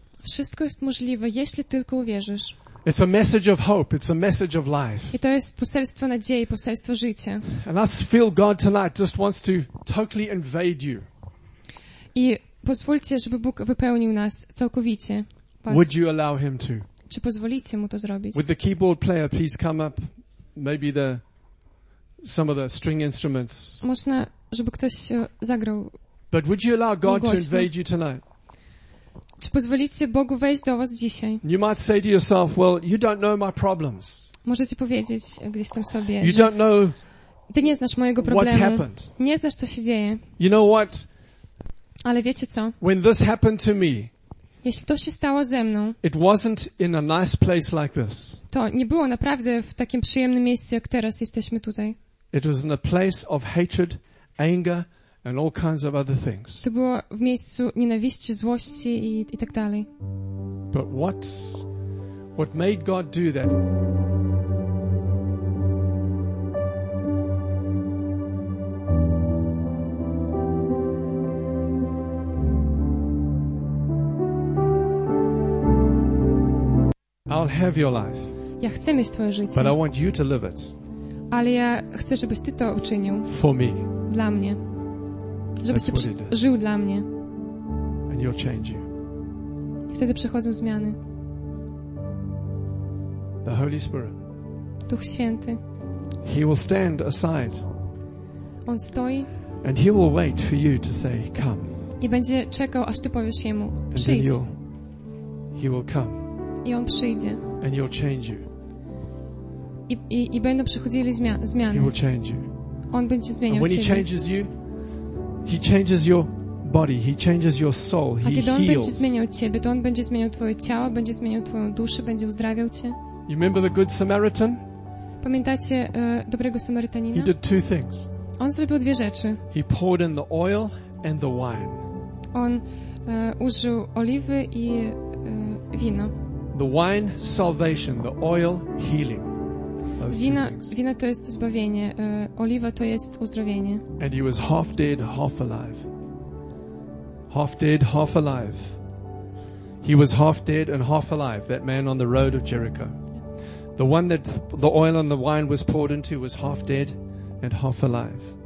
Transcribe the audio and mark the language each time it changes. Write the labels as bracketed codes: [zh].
[pl] Wszystko jest możliwe, jeśli tylko uwierzysz. [en] It's a message of hope. It's a message of life. [pl] I to jest poselstwo nadziei, poselstwo życia. [en] And I feel God tonight just wants to totally invade you. [pl] I pozwólcie, żeby Bóg wypełnił nas całkowicie. [en] Would you allow him to? [pl] Czy pozwolicie mu to zrobić? [en] Would the keyboard player please come up? Maybe some of the string instruments. [pl] Można, żeby ktoś zagrał. [en] But would you allow God to invade you tonight? [pl] Czy pozwolicie Bogu wejść do was dzisiaj? [en] You might say to yourself, well, you don't know my problems. [pl] Możecie powiedzieć gdzieś tam sobie, [en] you [pl] że [en] don't know, [pl] ty nie znasz mojego problemu. [en] What's happened. [pl] Nie znasz, co się dzieje. [en] You know what? [pl] Ale wiecie co? [en] When this happened to me, [pl] jeśli to się stało ze mną, [en] it wasn't in a nice place like this. [pl] To nie było naprawdę w takim przyjemnym miejscu, jak teraz jesteśmy tutaj. [en] It was in a place of hatred, anger, and all kinds of other things. [pl] To było w miejscu nienawiści, złości i tak dalej. [en] But what made God do that? I'll have your life. [pl] Ja chcę mieć twoje życie. [en] But I want you to live it. [pl] Ale ja chcę, żebyś ty to uczynił. [en] For me. [pl] Dla mnie. Żebyś żył dla mnie. [en] And you'll change you. [pl] I wtedy przychodzą zmiany. [en] The Holy Spirit. [pl] Duch Święty. [en] He will stand aside. [pl] On stoi. [en] And he will wait for you to say, come. [pl] I będzie czekał, aż ty powiesz jemu, przyjdź. [en] And he will come. [pl] I on przyjdzie. [en] And you'll change you. [pl] I będą przychodzili zmiany. [en] He will change you. [pl] On będzie zmieniał ciebie. [en] When he changes you, he changes your body, he changes your soul, he heals. [pl] A kiedy on będzie zmieniał ciebie, to on będzie zmieniał twoje ciało, będzie zmieniał twoją duszę, będzie uzdrawiał cię. [en] You remember the good Samaritan? [pl] Pamiętacie dobrego Samarytanina? [en] He did two things. [pl] On zrobił dwie rzeczy. [en] He poured in the oil and the wine. [pl] On użył oliwy i wino. [en] The wine, salvation, the oil, healing. [pl] Wina to jest zbawienie, oliwa to jest uzdrowienie. [en] And he was half dead, half alive. Half dead, half alive. He was half dead and half alive, that man on the road of Jericho. The one that the oil and the wine was poured into was half dead and half alive.